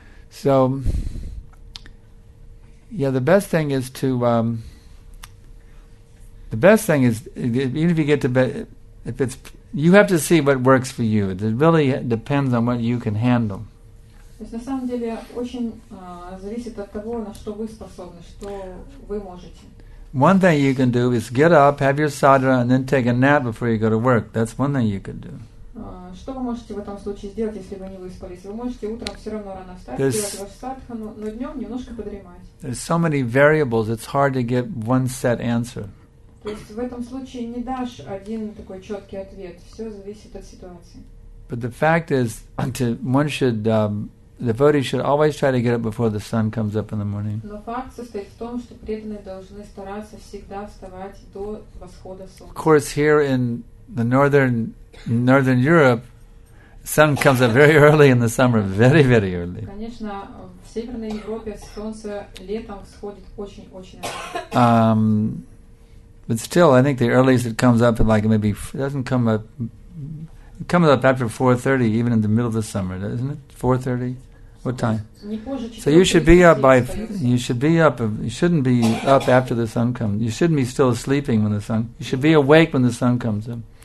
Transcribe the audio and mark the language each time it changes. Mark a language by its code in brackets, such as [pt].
[en] So, yeah, the best thing is to, the best thing is, even if you get to bed, if it's, you have to see what works for you. It really depends on what you can handle. [ru] То есть на самом деле очень зависит от того, на что вы способны, что вы можете. [en] One thing you can do is get up, have your sadhana, and then take a nap before you go to work. That's one thing you could do. [ru] Что вы можете в этом случае сделать, если вы не выспались? Вы можете утром все равно рано встать, делать вашу садхану, но днем немножко подремать. [en] There's so many variables, it's hard to get one set answer. [ru] То есть в этом случае не дашь один такой четкий ответ. Все зависит от ситуации. [en] But the fact is, to, one should, the devotee should always try to get up before the sun comes up in the morning. [ru] Но факт состоит в том, что преданные должны стараться всегда вставать до восхода солнца. [en] Of course, here in the northern Europe, sun comes up very early in the summer, very, very early. [ru] Конечно, в Северной Европе солнце летом всходит очень-очень рано. [en] But still, I think the earliest it comes up, like maybe, it doesn't come up... It comes up after 4:30, even in the middle of the summer, doesn't it? 4:30, what time? So you should be up by. You should be up. You shouldn't be up after the sun comes. You shouldn't be still sleeping when the sun. You should be awake when the sun comes up.